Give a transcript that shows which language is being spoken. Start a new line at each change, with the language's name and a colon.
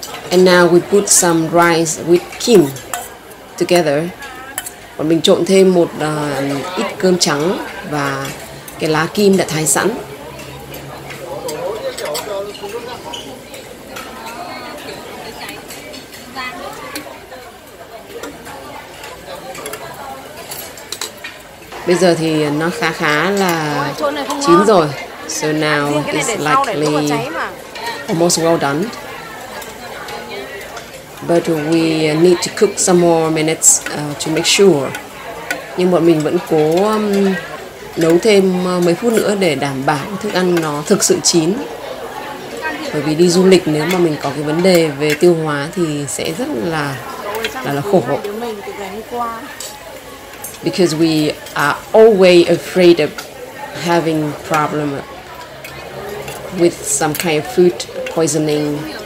English: And now we put some rice with kim together.
Vietnamese: Bọn mình trộn thêm một ít cơm trắng và cái lá kim đã thái sẵn. Bây giờ thì nó khá là chín rồi.
English: So now it's likely almost well done. But we need to cook some more minutes to make sure.
Vietnamese: Nhưng bọn mình vẫn cố nấu thêm mấy phút nữa để đảm bảo thức ăn nó thực sự chín. Bởi vì đi du lịch nếu mà mình có cái vấn đề về tiêu hóa thì sẽ rất là khổ.
English: Because we are always afraid of having problem with some kind of food poisoning.